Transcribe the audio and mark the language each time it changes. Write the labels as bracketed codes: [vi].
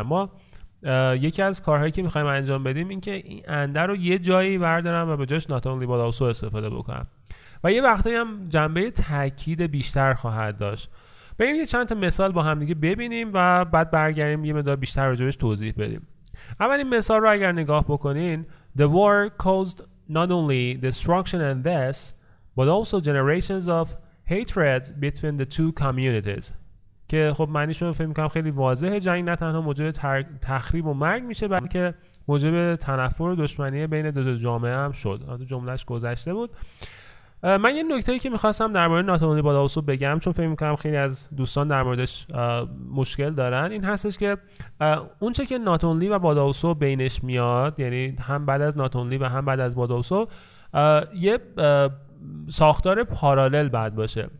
[fa] ما یکی از کارهایی که میخوایم انجام بدیم این که این انده رو یه جایی بردارم و به جاش نات اونلی باد آلسو استفاده بکنم و یه وقتایی هم جنبه تاکید بیشتر خواهد داشت. بریم یه چند تا مثال با هم دیگه ببینیم و بعد برگردیم یه مقدار بیشتر راجعش توضیح بدیم. اولین مثال رو اگر نگاه بکنین، [en] The war caused not only destruction and death but also generations of hatred between the two communities. [fa] که خب معنیشون رو فهم میکنم خیلی واضحه، جنگ نه تنها موجب تخریب و مرگ میشه بلکه موجب تنفر و دشمنی بین دو جامعه هم شد. تو جملهش گذشته بود. من یه نکته‌ای که میخواستم در مورد نات اونلی باد آلسو بگم، چون فهم میکنم خیلی از دوستان در موردش مشکل دارن، این هستش که اونچه که نات اونلی و باد آلسو بینش میاد، یعنی هم بعد از نات اونلی و هم بعد از باد آلسو، یه ساختار پارالل بعد باشه.